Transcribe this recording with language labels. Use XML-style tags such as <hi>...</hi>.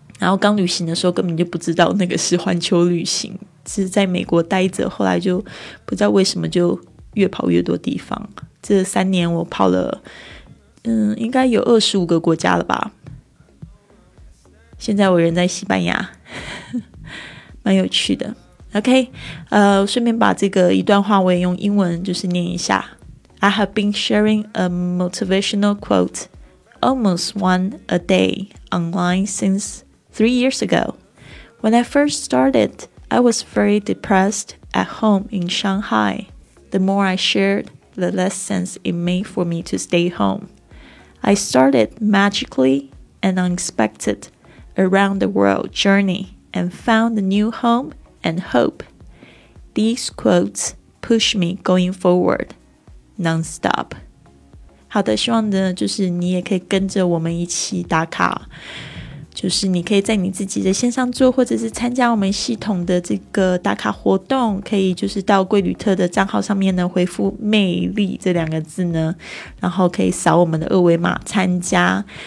<zh>然后刚旅行的时候根本就不知道那个是环球旅行，只是在美国待着，后来就不知道为什么就越跑越多地方。这三年我跑了应该有25个国家了吧，现在我人在西班牙，蛮有趣的。 OK, 顺便把这个一段话我也用英文就是念一下。</zh> <en>I have been sharing a motivational quote almost one a day online since 3 years ago. When I first started, I was very depressed at home in Shanghai. The more I shared, the less sense it made for me to stay home. I started magically and unexpected around the world journey. And found a new home and hope. These quotes push me going forward, nonstop.</en> <zh>好的，希望呢，就是你也可以跟着我们一起打卡，就是你可以在你自己的线上做，或者是参加我们系统的这个打卡活动，可以就是到贵旅特的账号上面呢，回复魅力这两个字呢，然后可以扫我们的二维码参加。</zh>